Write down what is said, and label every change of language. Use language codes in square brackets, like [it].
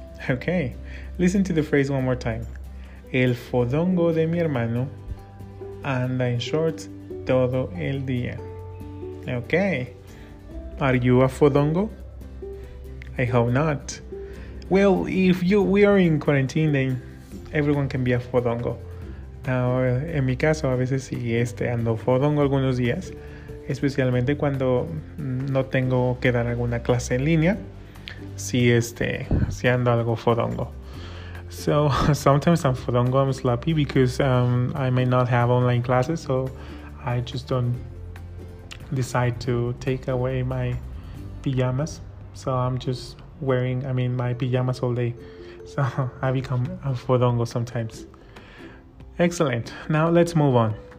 [en] Okay, listen to the phrase one more time. [es] El fodongo de mi hermano anda en shorts todo el día. [en] Okay. Are you a fodongo? I hope not. Well, if we are in quarantine, then everyone can be a fodongo. [es] Now, en mi caso, a veces sí, ando fodongo algunos días, especialmente cuando no tengo que dar alguna clase en línea, sí, ando algo fodongo. [en] So sometimes I'm fodongo, I'm sloppy because I may not have online classes, so I just don't decide to take away my pajamas. So I'm just wearing, my pajamas all day. So I become a fodongo sometimes. Excellent. Now let's move on.